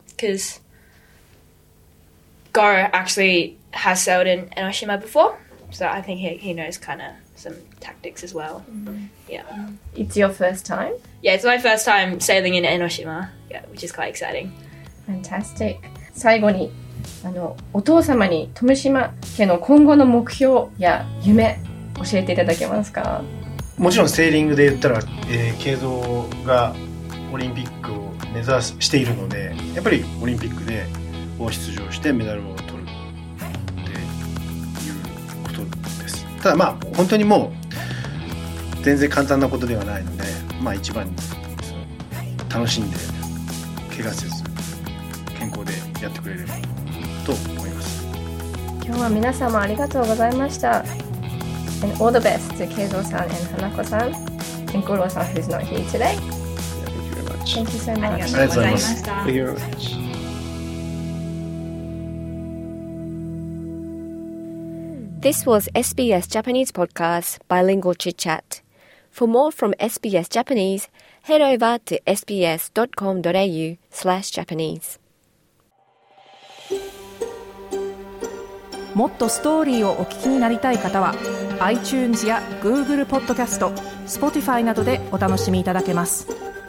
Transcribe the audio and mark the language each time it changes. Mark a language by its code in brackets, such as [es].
[en] Because Goro actually has sailed in Enoshima before. So I think he knows kind of some tactics as well. Mm-hmm. Yeah. It's your first time? Yeah, it's my first time sailing in Enoshima. Yeah, which is quite exciting. Fantastic. [ja] 最後にお父様に富島家の今後の目標や夢教えていただけますか。もちろんセーリングで言ったら、慶三がオリンピックを目指しているので、やっぱりオリンピックで出場してメダルを取るっていうことです。ただまあ本当にもう全然簡単なことではないので、まあ一番楽しんで怪我せず健康でやってくれればと思います。今日は皆様ありがとうございました。 [en] And all the best to 慶三さん and Hanako さん and Goro さん who's not here today. Thank you very much. Thank you so much. [ja] ありがとうございました。 [en] Thank you very much. This was SBS Japanese Podcast Bilingual Chit Chat. For more from SBS Japanese, head over to sbs.com.au/Japanese. [ja] もっとストーリーをお聞きになりたい方は iTunes や Google Podcast、Spotify などでお楽しみいただけます。